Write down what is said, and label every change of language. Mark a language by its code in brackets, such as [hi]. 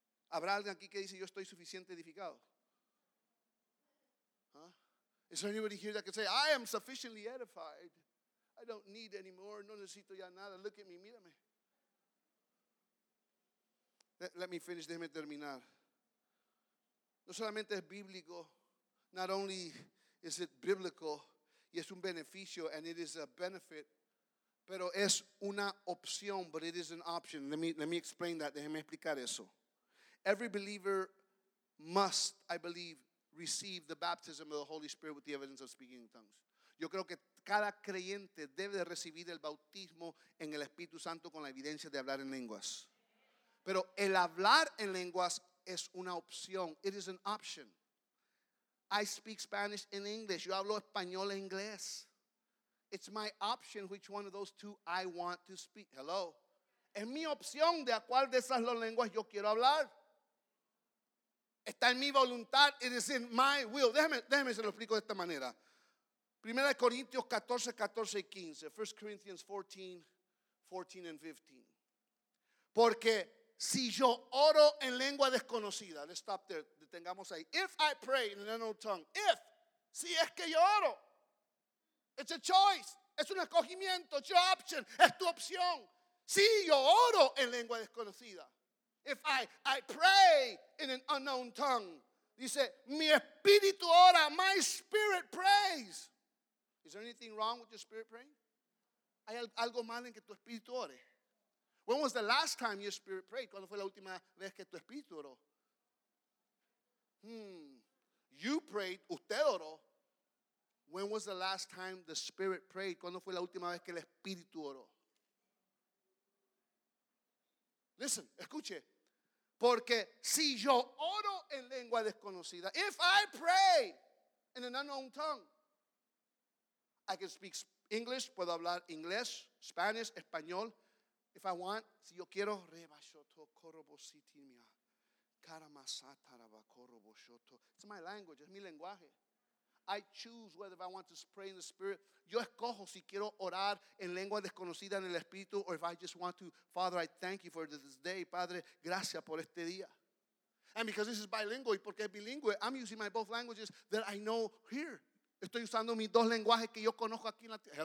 [es] ¿Habrá alguien aquí que dice yo estoy suficiente edificado? Huh? [en] Is there anybody here that can say, I am sufficiently edified. I don't need any more. [es] No necesito ya nada. [en] Look at me, [es] mírame. [en] Let me finish, [es] déjeme terminar. No solamente es bíblico, [en] not only is it biblical, [es] y es un beneficio, [en] and it is a benefit, [es] pero es una opción, [en] but it is an option. Let me explain that. [es] Déjeme explicar eso. [en] Every believer must, I believe, receive the baptism of the Holy Spirit with the evidence of speaking in tongues. [es] Yo creo que cada creyente debe de recibir el bautismo en el Espíritu Santo con la evidencia de hablar en lenguas. Pero el hablar en lenguas es una opción. [en] It is an option. I speak Spanish in English. [es] Yo hablo español en inglés. [en] It's my option which one of those two I want to speak. Hello. [es] Es mi opción de a cuál de esas dos lenguas yo quiero hablar. Está en mi voluntad. [en] It is in my will. [es] Déjeme se lo explico de esta manera. Primera de Corintios 14, 14 y 15. [en] 1 Corinthians 14, 14 and 15. [es] Porque si yo oro en lengua desconocida, [en] let's stop there, [es] detengamos ahí. [en] If I pray in an unknown tongue, if, [es] si es que yo oro, [en] it's a choice, [es] es un escogimiento, [en] it's your option, [es] es tu opción. Si yo oro en lengua desconocida, [en] if I pray in an unknown tongue, [es] dice, mi espíritu ora, [en] my spirit prays. Is there anything wrong with your spirit praying? [es] ¿Hay algo mal en que tu espíritu ore? [en] When was the last time your spirit prayed? [es] ¿Cuándo fue la última vez que tu espíritu oró? [en] You prayed, [es] usted oró. [en] When was the last time the spirit prayed? [es] ¿Cuándo fue la última vez que el espíritu oró? [en] Listen, [es] escuche. Porque si yo oro en lengua desconocida, [en] if I pray in an unknown tongue, I can speak English, [es] puedo hablar inglés, [en] Spanish, [es] español. [en] If I want, [es] si yo quiero, [en] it's my language, [es] es mi lenguaje. [en] I choose whether I want to pray in the spirit. [es] Yo escojo si quiero orar en lengua desconocida en el espíritu, [en] or if I just want to, Father, I thank you for this day. [es] Padre, gracias por este día. [en] And because this is bilingual, [es] y porque es bilingüe, [en] I'm using my both languages that I know here. [es] Estoy usando mis dos lenguajes que yo conozco aquí en la tierra.